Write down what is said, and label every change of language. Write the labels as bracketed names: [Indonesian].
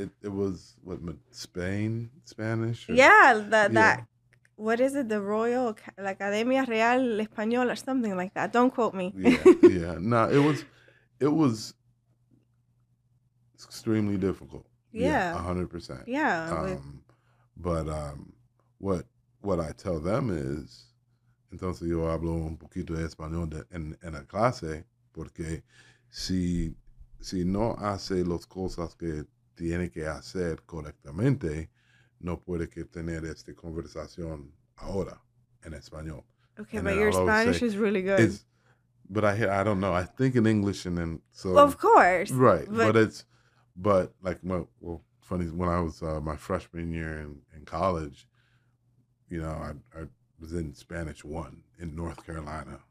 [English] It was, what, Spain Spanish? Or, yeah, what is it? The Royal, la Academia Real Española or something like that. Don't quote me. Yeah. No, it was extremely difficult. Yeah. 100%. Yeah. But what I tell them is, [Spanish] entonces yo hablo un poquito de español en la clase, porque si no hace las cosas que tiene que hacer correctamente, no puede que tener esta conversación ahora en español. [English] Okay, and but your Spanish is really good. I don't know. I think in English and then so. Well, of course. Right, but funny, when I was my freshman year in college, you know, I was in Spanish 1 in North Carolina.